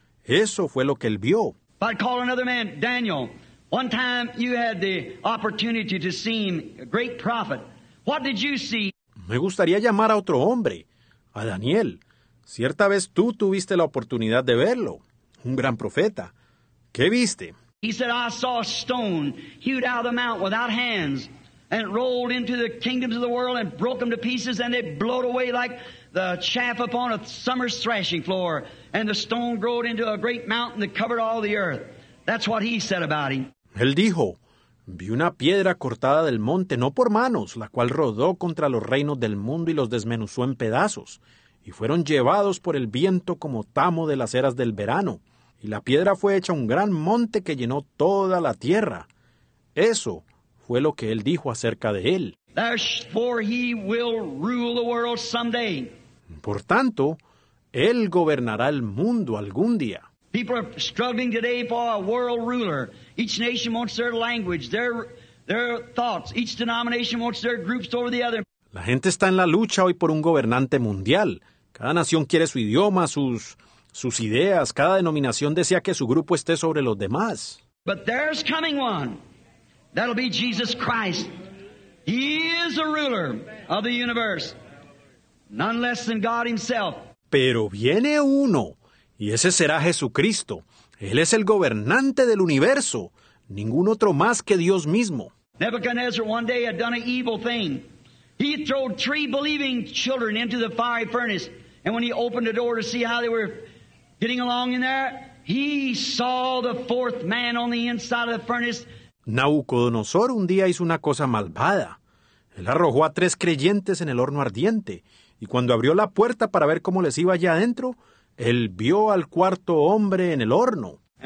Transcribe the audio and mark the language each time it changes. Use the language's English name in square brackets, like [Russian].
[Spanish] Eso fue lo que él vio. [English] I'd call another man, Daniel. One time you had the opportunity to see him, a great prophet. What did you see? [Spanish] Me gustaría llamar a otro hombre, a Daniel. Cierta vez tú tuviste la oportunidad de verlo, un gran profeta. ¿Qué viste? [English] He said, I saw a stone hewed out of the mount without hands, and it rolled into the kingdoms of the world and broke them to pieces, and it blowed away like the chaff upon a summer's threshing floor, and the stone growed into a great mountain that covered all the earth. That's what he said about him. [Spanish] Él dijo, Vi una piedra cortada del monte, no por manos, la cual rodó contra los reinos del mundo y los desmenuzó en pedazos, y fueron llevados por el viento como tamo de las eras del verano, y la piedra fue hecha un gran monte que llenó toda la tierra. Eso fue lo que él dijo acerca de él. [English] Therefore he will rule the world someday. [Spanish] Por tanto, él gobernará el mundo algún día. [English] People are struggling today for a world ruler. Each nation wants their language, their thoughts. Each denomination wants their groups over the other. [Spanish] La gente está en la lucha hoy por un gobernante mundial. Cada nación quiere su idioma, sus ideas. Cada denominación desea que su grupo esté sobre los demás. [English] But there's coming one. That'll be Jesus Christ. He is a ruler of the universe. None less than God himself. [Spanish] Pero viene uno, y ese será Jesucristo. Él es el gobernante del universo, ningún otro más que Dios mismo. [English] Nebuchadnezzar one day had done an evil thing. He threw three believing children into the fiery furnace, and when he opened the door to see how they were getting along in there, he saw the fourth man on the inside of the furnace. [Spanish] Nabucodonosor un día hizo una cosa malvada. Él arrojó a tres creyentes en el horno ardiente, y cuando abrió la puerta para ver cómo les iba allá adentro, él vio al cuarto hombre en el horno.